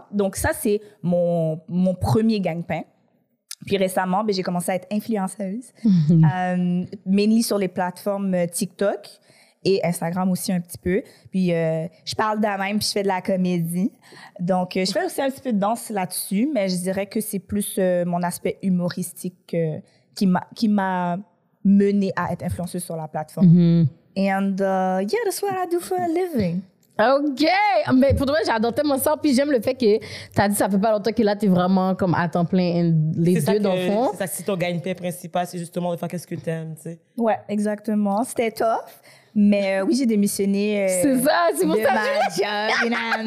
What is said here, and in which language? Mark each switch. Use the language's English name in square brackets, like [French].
[French] Donc, ça, c'est mon premier gagne-pain. Puis récemment, ben, j'ai commencé à être influenceuse, mainly sur les plateformes TikTok et Instagram aussi un petit peu. Puis je parle de même, puis je fais de la comédie. Donc, je fais aussi un petit peu de danse là-dessus, mais je dirais que c'est plus mon aspect humoristique qui m'a mené à être influenceuse sur la plateforme. Mm-hmm. [English] And yeah, that's what I do for a living. [French] OK! Mais pour toi, j'adore tellement ça. Puis j'aime le fait que tu as dit ça fait pas longtemps que là, tu es vraiment comme à temps plein les c'est deux dans le fond. C'est ça, si ton gagne-pain principal, c'est justement de faire qu'est-ce que tu aimes, tu sais. Ouais, exactement. C'était tough. Mais oui, j'ai démissionné. C'est ça, c'est pour ça que je